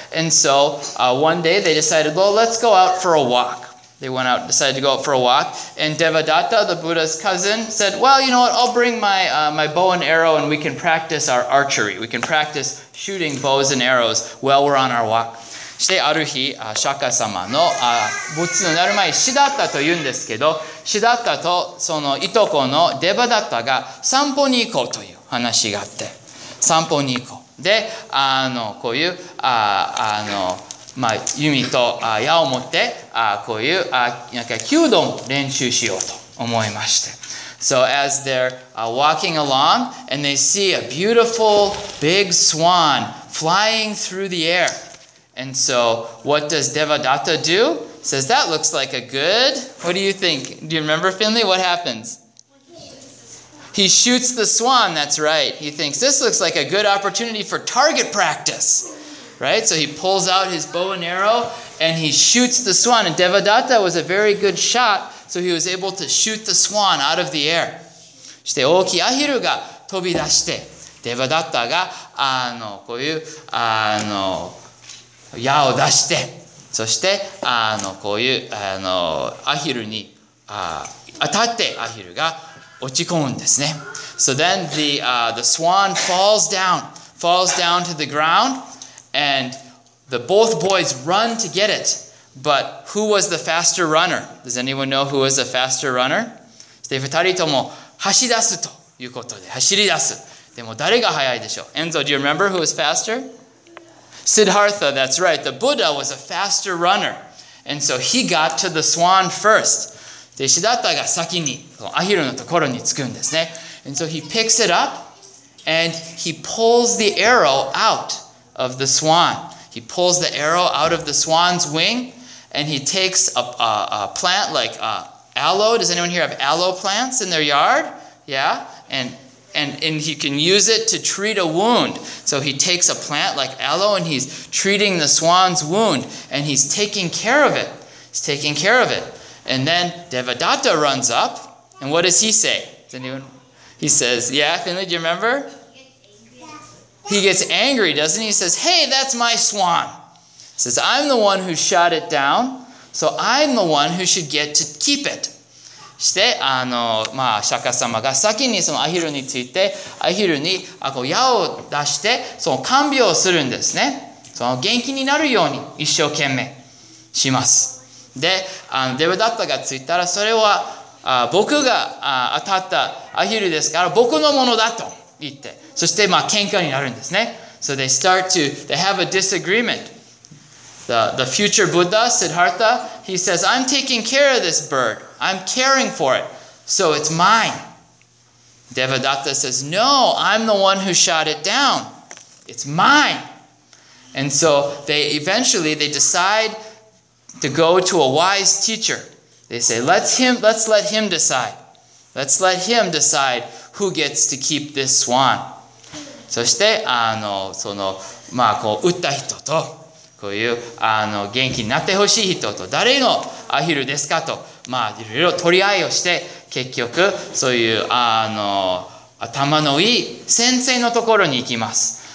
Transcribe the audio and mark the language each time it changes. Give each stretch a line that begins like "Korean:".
English: And so one day they decided, well, let's go out for a walk. They went out, decided to go out for a walk, and Devadatta, the Buddha's cousin, said, well, you know what, I'll bring my my bow and arrow and we can practice our archery. We can practice shooting bows and arrows while we're on our walk.
Japanese: してある日、釈迦様の仏になる前、シダッタと言うんですけど、シダッタとそのいとこのデバダッタが散歩に行こうという話があって、散歩に行こう。で、あの、こういう、まあ、弓と矢を持って、こういう、なんか、弓道も練習しようと思いまして。
English: So as they're walking along, and they see a beautiful big swan flying through the air. And so, what does Devadatta do? Says, that looks like a good... What do you think? Do you remember, Finley? What happens? He shoots the swan, that's right. He thinks, this looks like a good opportunity for target practice. Right, so he pulls out his bow and arrow and he shoots the swan. And Devadatta was a very good shot, so he was able to shoot the swan out of the air.
Japanese: して大きいアヒルが飛び出してデバダッタがこういう矢を出してそしてこういうアヒルに当たってアヒルが落ち込むんですね。
English: So then the swan falls down to the ground and the both boys run to get it. But who was the faster runner? Does anyone know who was the faster runner?
Japanese: で、二人とも走り出すということで、走り出す。でも誰が速いでしょう?
English: Enzo, do you remember who was faster? Siddhartha, that's right. The Buddha was a faster runner. And so he got to the swan first.
Japanese: で、シダッタが先にアヒルのところに着くんですね。
English: And so he picks it up and he pulls the arrow out of the swan. He pulls the arrow out of the swan's wing and he takes a plant like aloe. Does anyone here have aloe plants in their yard? Yeah? And he can use it to treat a wound. So he takes a plant like aloe and he's treating the swan's wound and he's taking care of it. He's taking care of it. And then Devadatta runs up and what does he say? Does anyone? He says, yeah, Finley, do you remember? He gets angry, doesn't he? He says, hey, that's my swan. He says, I'm the one who shot it down, so I'm the one who should get to keep it.
Japanese: して、釈迦様が先にそのアヒルについて、アヒルに矢を出して、その看病をするんですね。その元気になるように一生懸命します。で、デブダッタがついたら、それは僕が当たったアヒルですから、僕のものだと言って、そして、喧嘩になるんですね。
English: So they start to, they have a disagreement. The future Buddha, Siddhartha, he says, I'm taking care of this bird. I'm caring for it. So it's mine. Devadatta says, no, I'm the one who shot it down. It's mine. And so they decide to go to a wise teacher. They say, Let's let him decide who gets to keep this swan.
Japanese: そして、打った人と、こういう、元気になってほしい人と、誰のアヒルですかと、いろいろ取り合いをして、結局、そういう、頭のいい先生のところに行きます。